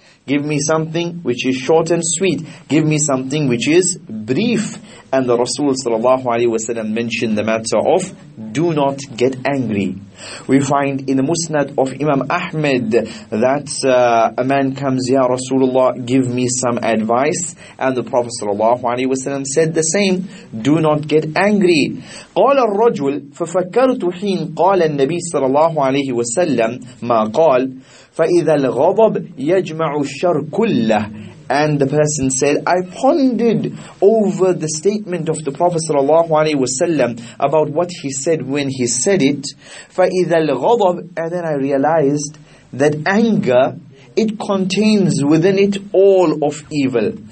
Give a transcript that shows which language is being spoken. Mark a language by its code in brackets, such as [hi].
[en] Give me something which is short and sweet. Give me something which is brief. And the Rasul sallallahu alayhi wa sallam mentioned the matter of do not get angry. We find in the Musnad of Imam Ahmed that a man comes, Ya Rasulullah, give me some advice. And the Prophet sallallahu alayhi wa sallam said the same, do not get angry. [ar] قَالَ الرَّجُلْ فَفَكَّرْتُ حِينَ قَالَ النَّبِيِّ sallallahu alayhi wa sallam مَا قَالَ فَإِذَا الْغَضَبْ يَجْمَعُ الشَّرْ كُلَّهِ. [en] And the person said, I pondered over the statement of the Prophet sallallahu alaihi wasallam about what he said when he said it. [ar] فَإِذَا الْغَضَبْ. [en] And then I realized that anger, it contains within it all of evil.